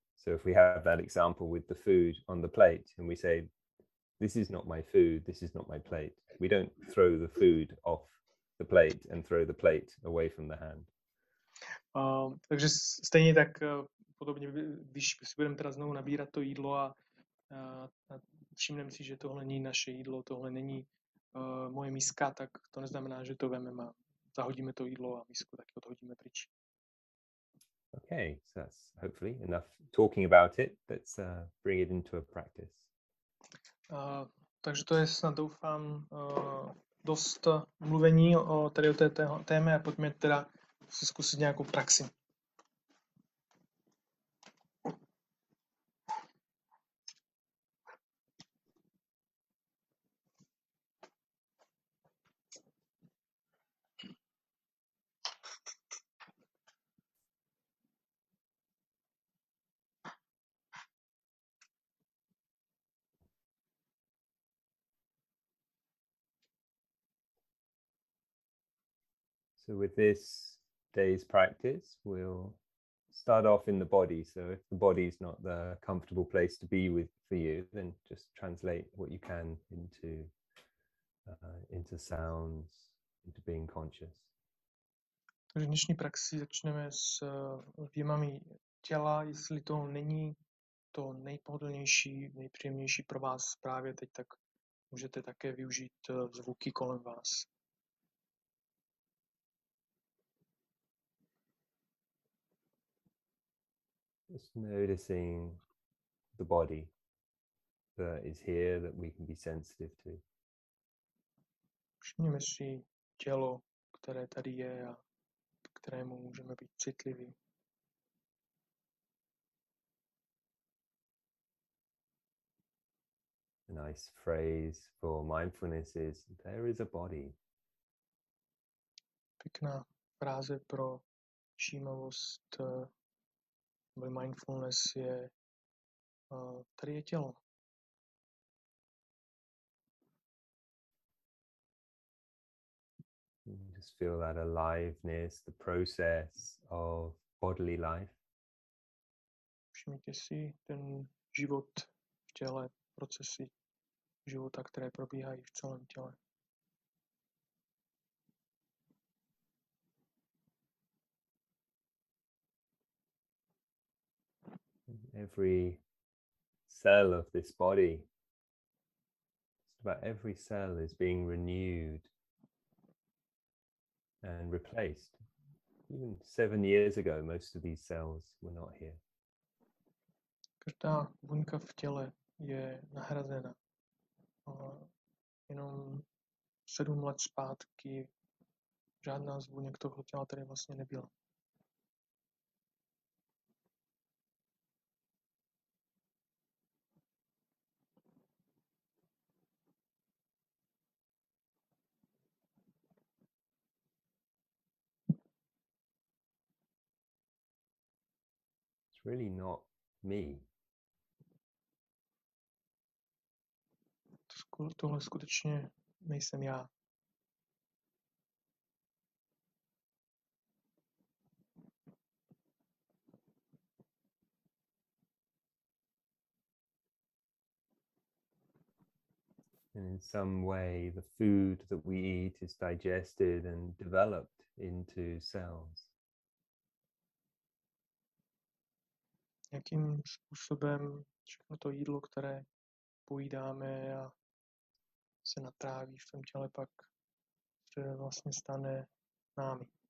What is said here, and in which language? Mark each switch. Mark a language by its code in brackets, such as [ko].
[en] So if we have that example with the food on the plate and we say, this is not my food, this is not my plate. We don't throw the food off the plate and throw the plate away from the hand. [cs] Takže stejně tak podobně, když si budeme teda znovu nabírat to jídlo a všimneme si, že tohle není naše jídlo, tohle není moje miska, tak to neznamená, že to vememe a zahodíme to jídlo a misku taky odhodíme pryč. [en] Okay, so that's hopefully enough talking about it. Let's bring it into a practice. [cs] Takže to je snad doufám dost mluvení o té téme a pojďme teda se zkusit nějakou praxi. [en] So with this day's practice, we'll start off in the body. So if the body is not the comfortable place to be with for you, then just translate what you can into sounds, into being conscious. [cs] Takže dnešní praxi začneme s vnímáním těla, jestli to není to nejpohodlnější, nejpříjemnější pro vás právě teď, tak můžete také využít zvuky kolem vás. [en] Just noticing the body that is here that we can be sensitive to. [cs] Všimněme si tělo, které tady je a kterému můžeme být citliví. [en] A nice phrase for mindfulness is there is a body. [cs] Pěkná fráze pro všímavost. Nebo mindfulness je, tady je tělo. [en] Just feel that aliveness, the process of bodily life. [cs] Všimněte si ten život v těle, procesy života, které probíhají v celém těle. [en] Every cell of this body, just about every cell is being renewed and replaced. Even 7 years ago, most of these cells were not here. [cs] Každá buňka v těle je nahrazena. Jenom 7 let zpátky žádná z buňek toho těla tady vlastně nebyla. [en] Really not me. [cs] Tohle skutečně nejsem já. [en] And in some way, the food that we eat is digested and developed into cells. [cs] Jakým způsobem všechno to jídlo, které pojídáme a se natráví v tom těle, pak se vlastně stane námi.